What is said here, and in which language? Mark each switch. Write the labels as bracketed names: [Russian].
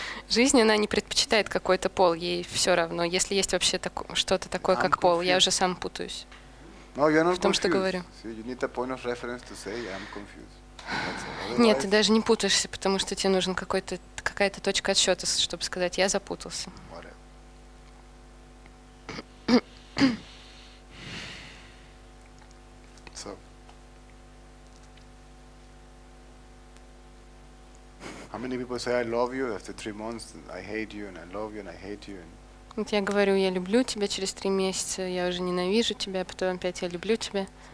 [Russian] Жизнь, она не предпочитает какой-то пол, ей все равно. Если есть вообще что-то такое, как пол, я уже сам путаюсь. [English] No, you're not [Russian] в том, что говорю. [English] So you need a point of reference to say I'm confused. [Russian] Нет, ты даже не путаешься, потому что тебе нужен какая-то точка отсчета, чтобы сказать, я запутался. [English] How many people say I love you after 3 months? And I hate you and I love you and I hate you. [Russian] Вот я говорю, я люблю тебя через 3 месяца, я уже ненавижу тебя, потом опять я люблю тебя.